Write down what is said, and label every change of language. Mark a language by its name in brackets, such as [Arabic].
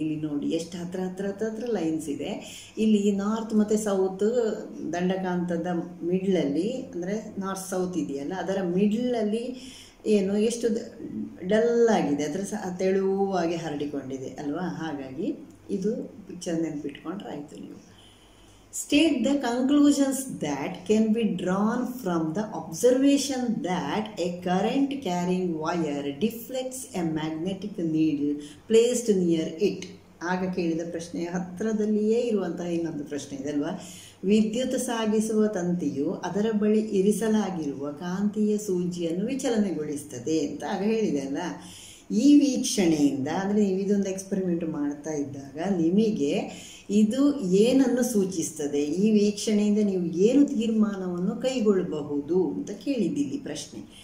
[Kannada] ಇಲ್ಲಿ ನೋಡಿ ಎಷ್ಟು ಹತ್ರ ಲೈನ್ಸ್ ಇದೆ. ಇಲ್ಲಿ ನಾರ್ತ್ ಮತ್ತು ಸೌತ್ ದಂಡಕಾಂತದ ಮಿಡ್ಲಲ್ಲಿ, ಅಂದರೆ ನಾರ್ತ್ ಸೌತ್ ಇದೆಯಲ್ಲ, ಅದರ ಮಿಡ್ಲಲ್ಲಿ ಏನು ಎಷ್ಟು ಡಲ್ಲಾಗಿದೆ, ಅದರ ತೆಳುವಾಗಿ ಹರಡಿಕೊಂಡಿದೆ ಅಲ್ವಾ. ಹಾಗಾಗಿ ಇದು ಪಿಕ್ಚರ್ ನೆನ್ಪಿಟ್ಕೊಂಡ್ರೆ ಆಯಿತು. ನೀವು [English] state the conclusions that can be drawn from the observation that a current carrying wire deflects a magnetic needle placed near it. [Kannada] ಆಗ ಕೇಳಿದ ಪ್ರಶ್ನೆಯ ಹತ್ತಿರದಲ್ಲಿಯೇ ಇರುವಂತಹ ಇನ್ನೊಂದು ಪ್ರಶ್ನೆ ಇದಲ್ವಾ. ವಿದ್ಯುತ್ ಸಾಗಿಸುವ ತಂತಿಯು ಅದರ ಬಳಿ ಇರಿಸಲಾಗಿರುವ ಕಾಂತೀಯ ಸೂಜಿಯನ್ನು ವಿಚಲನೆಗೊಳಿಸುತ್ತದೆ ಅಂತ ಆಗ ಹೇಳಿದೆ ಅಲ್ಲ. ಈ ವೀಕ್ಷಣೆಯಿಂದ ಅಂದರೆ ನೀವು ಇದೊಂದು ಎಕ್ಸ್ಪೆರಿಮೆಂಟ್ ಮಾಡ್ತಾ ಇದ್ದಾಗ ನಿಮಗೆ ಇದು ಏನನ್ನು ಸೂಚಿಸ್ತದೆ, ಈ ವೀಕ್ಷಣೆಯಿಂದ ನೀವು ಏನು ತೀರ್ಮಾನವನ್ನು ಕೈಗೊಳ್ಳಬಹುದು ಅಂತ ಕೇಳಿದ್ದಿಲ್ಲಿ ಪ್ರಶ್ನೆ.